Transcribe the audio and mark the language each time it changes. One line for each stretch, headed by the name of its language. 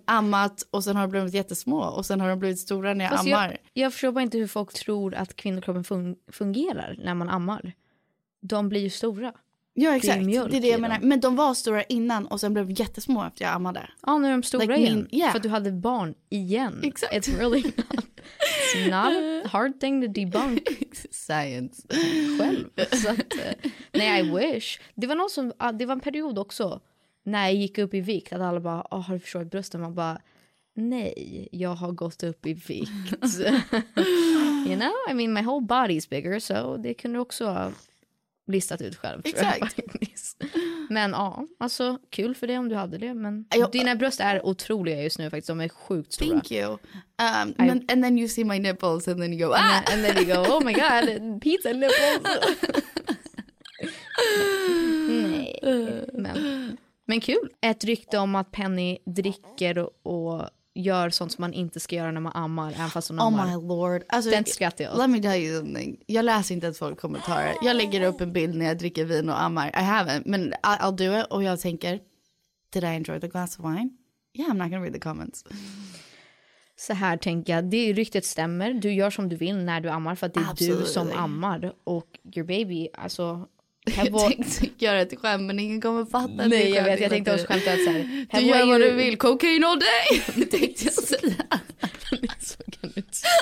Swedish: ammat och sen har de blivit jättesmå och sen har de blivit stora när jag fast ammar. Jag förstår bara inte hur folk tror att kvinnokroppen fungerar när man ammar. De blir ju stora. Ja, exakt. Det är det jag menar. Men de var stora innan och sen blev de jättesmå efter jag ammade. Ja, nu är de stora
English: like
Swedish: igen.
English: Yeah.
Swedish: För att du hade barn igen. Exakt.
English: It's really not, it's not a hard thing to debunk. Science.
Swedish: Själv. Så att, nej,
English: I wish.
Swedish: Det var, det var en period också när jag gick upp i vikt. Att alla bara, oh, har du förstått brösten? Man bara, nej, jag har gått upp i vikt.
English: You know, I mean, my whole body's bigger. So
Swedish: det kunde också... listat ut själv. Tror exakt. Jag. Men ja, alltså kul för dig om du hade det. Men dina bröst är otroliga just nu faktiskt. De är sjukt stora.
English: Thank you. And then you see my nipples and then you go, ah! And then you go, oh my god, pizza nipples.
Swedish: Men kul. Ett rykte om att Penny dricker och gör sånt som man inte ska göra när man ammar. Även fast hon ammar.
English: Oh my lord.
Swedish: Alltså, den skrattar jag.
English: Let me tell you something.
Swedish: Jag läser inte att folk kommentarer. Jag lägger upp en bild när jag dricker vin och ammar.
English: I haven't,
Swedish: men
English: I'll do it.
Swedish: Och jag tänker,
English: did I enjoy the glass of wine? Yeah, I'm not gonna read the comments.
Swedish: Så här tänker jag. Det ryktet stämmer. Du gör som du vill när du ammar för att det är
English: absolutely.
Swedish: Du som ammar. Och
English: your baby,
Swedish: alltså... Jag tänkte göra ett skämt, men ingen kommer att fatta det. Nej, jag vet. Jag tänkte också skämta att säga. Du gör vad du vill.
English: Cocaine all day!
Swedish: Tänkte jag säga. Så kan du inte.